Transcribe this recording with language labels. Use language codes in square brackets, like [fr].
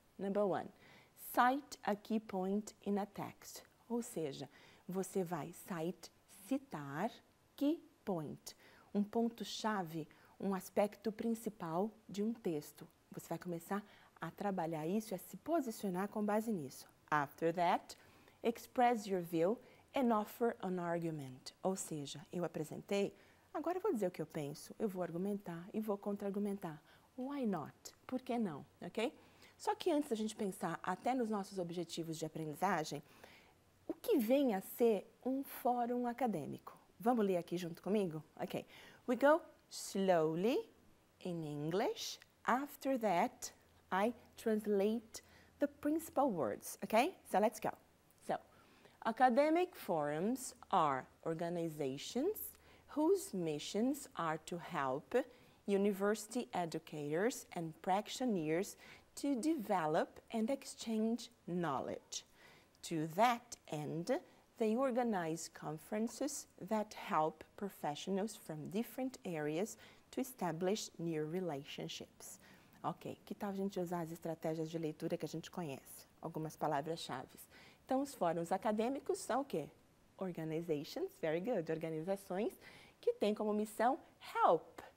[en] Number one, cite a key point in a text. [pt] Ou seja, você vai cite, citar, key point. Um ponto-chave, um aspecto principal de um texto. Você vai começar a trabalhar isso e a se posicionar com base nisso. [en] After that, express your view and offer an argument. [pt] Ou seja, eu apresentei, agora eu vou dizer o que eu penso, eu vou argumentar e vou contra-argumentar. [en] Why not? [pt] Por que não? Ok? Só que antes da gente pensar até nos nossos objetivos de aprendizagem, o que vem a ser um fórum acadêmico? Vamos ler aqui junto comigo? Ok. [en] We go slowly in English. After that, I translate the principal words. Ok? So let's go. Academic forums are organizations whose missions are to help university educators and practitioners to develop and exchange knowledge. To that end, they organize conferences that help professionals from different areas to establish new relationships. [pt] Ok, que tal a gente usar as estratégias de leitura que a gente conhece? Algumas palavras-chave. Então, os fóruns acadêmicos são o quê? Organizations, [en] very good, [pt] organizações que têm como missão help.